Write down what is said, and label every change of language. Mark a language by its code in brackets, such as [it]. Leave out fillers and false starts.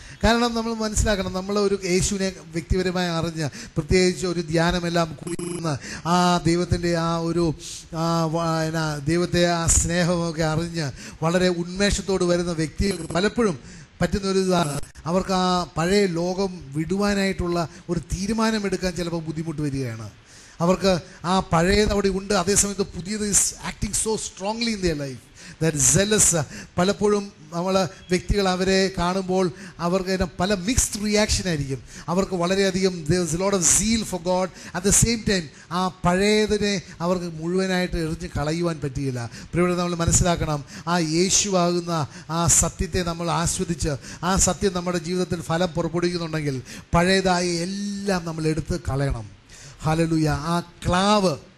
[ml] കാരണം നമ്മൾ മനസ്സിലാക്കണം, നമ്മൾ ഒരു യേശുവിനെ വ്യക്തിപരമായി അറിഞ്ഞ് പ്രത്യേകിച്ച് ഒരു ധ്യാനമെല്ലാം കുളിർന്ന് ആ ദൈവത്തിൻ്റെ ആ ഒരു എന്നാ ദൈവത്തെ ആ സ്നേഹമൊക്കെ അറിഞ്ഞ് വളരെ ഉന്മേഷത്തോട് വരുന്ന വ്യക്തികൾക്ക് പലപ്പോഴും പറ്റുന്നൊരു ഇതാണ്, അവർക്ക് ആ പഴയ ലോകം വിടുവാനായിട്ടുള്ള ഒരു തീരുമാനമെടുക്കാൻ ചിലപ്പോൾ ബുദ്ധിമുട്ട് വരികയാണ്. അവർക്ക് ആ പഴയത് അവിടെ ഉണ്ട്, അതേസമയത്ത് പുതിയത് [en] Is acting so strongly in their life. That zealous, [ml] പലപ്പോഴും നമ്മൾ വ്യക്തികൾ അവരെ കാണുമ്പോൾ അവർക്ക് പല മിക്സ്ഡ് റിയാക്ഷൻ ആയിരിക്കും. അവർക്ക് വളരെയധികം [en] there's a lot of zeal for God. At the same time, [ml] ആ പഴയതിനെ അവർക്ക് മുഴുവനായിട്ട് എറിഞ്ഞ് കളയുവാൻ പറ്റുകയില്ല. പ്രിയപ്പെട്ട നമ്മൾ മനസ്സിലാക്കണം, ആ യേശുവാകുന്ന ആ സത്യത്തെ നമ്മൾ ആസ്വദിച്ച് ആ സത്യം നമ്മുടെ ജീവിതത്തിൽ ഫലം പുറപ്പെടുവിക്കുന്നുണ്ടെങ്കിൽ പഴയതായ എല്ലാം നമ്മൾ എടുത്ത് കളയണം. ഹല്ലേലൂയ. ആ ക്ലാവ്